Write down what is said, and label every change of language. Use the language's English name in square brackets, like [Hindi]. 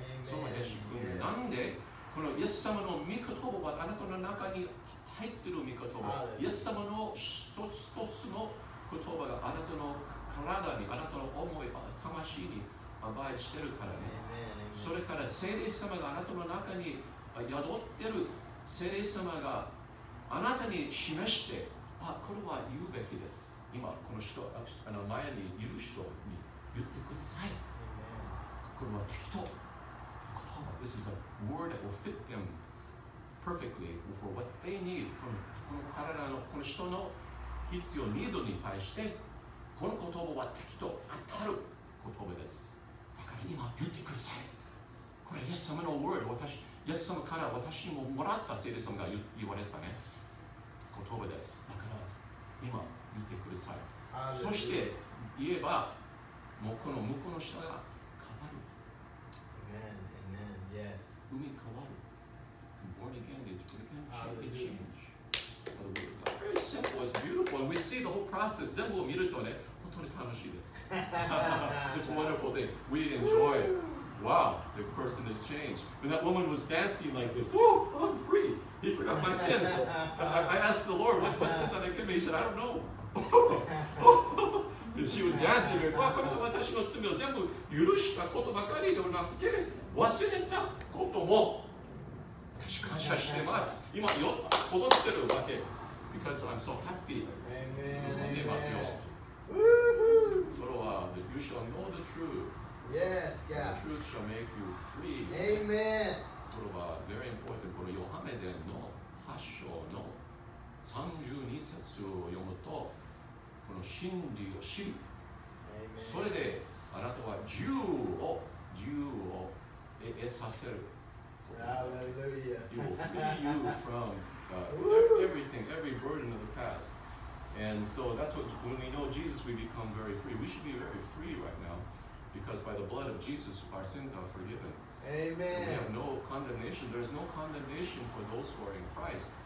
[Japanese] そのイエス君、なんでこのイエス様の御言葉はあなたの中に入っている御言葉、イエス様の一つ一つの言葉があなたの体に、あなたの思い、魂にアバイしているからね。それから聖霊様があなたの中に宿っている聖霊様があなたに示して、あ、これは言うべきです。今この人、あの前にいる人に言ってください。これは適当。言葉。 [English] This is a word that will fit them perfectly for what they need. [Japanese] この体の、この人の必要、ニードに対して、この言葉は適当、当たる言葉です。だから今言ってください。これはイエス様の word。私、イエス様から私にももらった聖霊様が言われたね。言葉です。だから今言ってください。そして言えば、もうこの向こうの人が変わる。 [English] Amen. Amen. Yes. [Japanese] 海変わる。 [English] Born again, they can change. Very simple. It's beautiful. And we see the whole process. [Japanese] 全部を見るとね、本当に楽しいです。 [English] It's a wonderful thing. We enjoy. Wow. The person has changed. When that woman was dancing like this, oh, I'm free. He forgot my sins. I asked the Lord, what sin that I committed? He said, I don't know. She was dancing. [Japanese] わかった、私の罪を全部許したことばかりではなくて、忘れたことも私感謝してます。今よ、戻ってるわけ。 [English] Because I'm so happy. Amen. Amen. [Japanese] それは、 [English] You shall know the truth. Yes, yeah. The truth shall make you free. Amen. [Japanese] それは、 [English] very important. [Japanese] このヨハネ伝の8章の32節を読むと、この真理を知る。それであなたは自由を得させる。 [English] Hallelujah. It will free you from everything, every burden of the past. And so that's what, when we know Jesus, we become very free. We should be very free right now, because by the blood of Jesus, our sins are forgiven. Amen. And we have no condemnation. There is no condemnation for those who are in Christ.